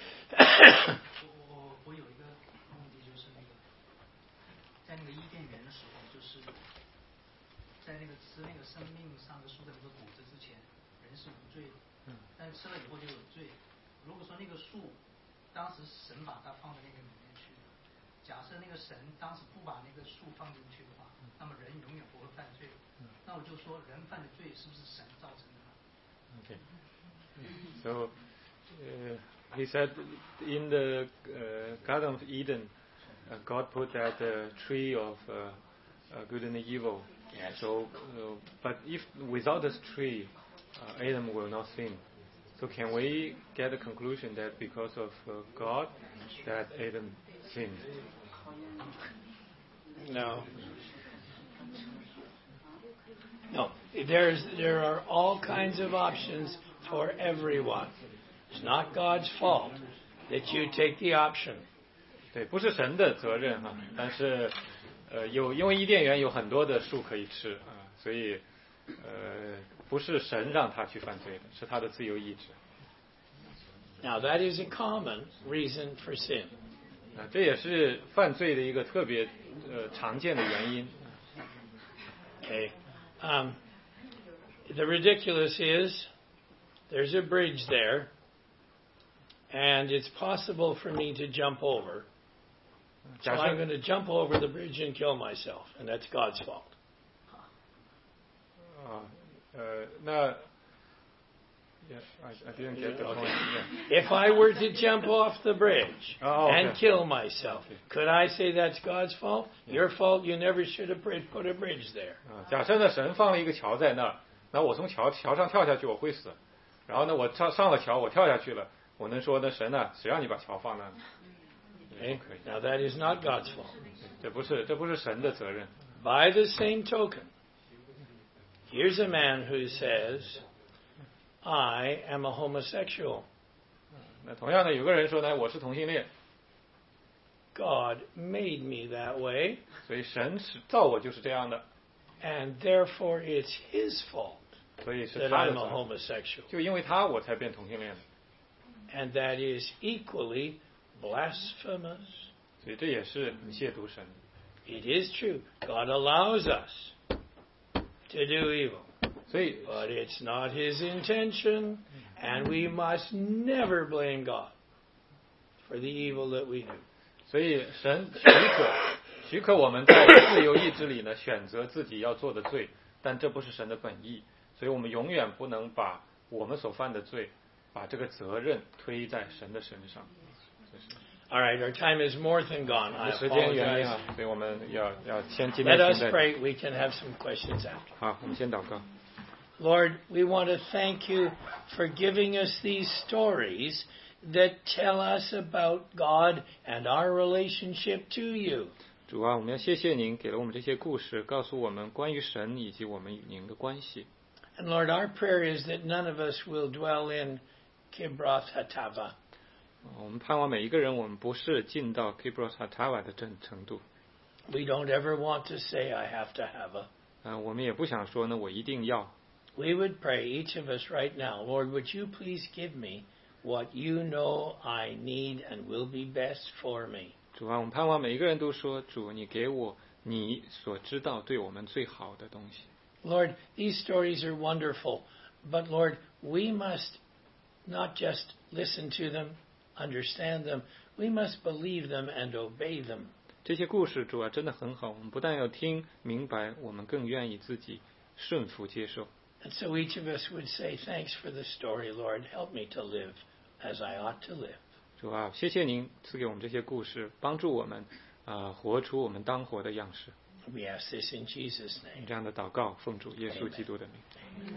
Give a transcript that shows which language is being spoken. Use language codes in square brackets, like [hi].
[zh] 我有一个问题，就是那个在那个伊甸园的时候，就是在那个吃那个生命上的树的那个果子之前，人是无罪的，但吃了以后就有罪。如果说那个树当时神把它放在那个里面去，假设那个神当时不把那个树放进去的话，那么人永远不会犯罪。那我就说人犯的罪是不是神造成的呢？ [en] OK, so he said in the Garden of Eden, God put that tree of good and evil. So but if without this treeAdam will not sin. So can we get a conclusion that because of God that Adam sinned? No. There are all kinds of options for everyone. It's not God's fault that you take the option. [zh] 对，不是神的责任哈，但是有因为伊甸园有很多的树可以吃啊，所以不是神让他去犯罪的，是他的自由意志。 [en] Now that is a common reason for sin. [zh] 这也是犯罪的一个特别常见的原因。 [en] Okay, the ridiculous is there's a bridge there, and it's possible for me to jump over. So I'm going to jump over the bridge and kill myself, and that's God's fault. 那 I didn't get the point. If I were to jump off the bridge and kill myself, could I say that's God's fault? Your fault, you never should have put a bridge there. [zh] 假设呢，神放了一个桥在那儿，那我从桥上跳下去，我会死。然后呢，我上了桥，我跳下去了，我能说呢，神呢，谁让你把桥放那儿？ [en] Okay, now that is not God's fault. [zh] 这不是神的责任。 [en] By the same token. Here's a man who says, I am a homosexual. [zh] 那同样的，有个人说呢，我是同性恋。 [en] God made me that way. [zh] 所以神造我就是这样的。 [en] And therefore it's his fault. [zh] 所以是他的责任。 [en] That I'm a homosexual. [zh] 就因为他我才变同性恋的。 [en] And that is equally blasphemous. [zh] 所以这也是亵渎神。 [en] It is true. God allows us to do evil. But it's not his intention, and we must never blame God for the evil that we do. [zh] 所以神许可我们在自由意志里呢选择自己要做的罪，但这不是神的本意，所以我们永远不能把我们所犯的罪把这个责任推在神的身上。 [en] All right, our time is more than gone. I apologize. Let us pray. We can have some questions after. [zh] 好，我们先祷告。 [en] Lord, we want to thank you for giving us these stories that tell us about God and our relationship to you. [zh] 主啊，我们要谢谢您给了我们这些故事，告诉我们关于神以及我们与您的关系。 [en] And Lord, our prayer is that none of us will dwell in Kibroth Hattaavah. [zh] 我们盼望每一个人，我们不是进到 Kibroth Hattaavah 的程度。 [en] We don't ever want to say I have to have a. [zh] 我们也不想说呢，我一定要。 [en] We would pray, each of us right now, Lord, would you please give me what you know I need and will be best for me. [zh] 主啊，我们盼望每一个人都说，主，你给我你所知道对我们最好的东西。 [en] Lord, these stories are wonderful, but Lord, we must not just listen to them, understand them, we must believe them and obey them. [zh] 这些故事，主啊，真的很好，我们不但要听明白，我们更愿意自己顺服接受。 [en] And so each of us would say, thanks for the story, Lord. Help me to live as I ought to live. [zh] 主啊，谢谢您赐给我们这些故事，帮助我们，活出我们当活的样式。 [en] We ask this in Jesus' name. [zh] 这样的祷告，奉主耶稣基督的名。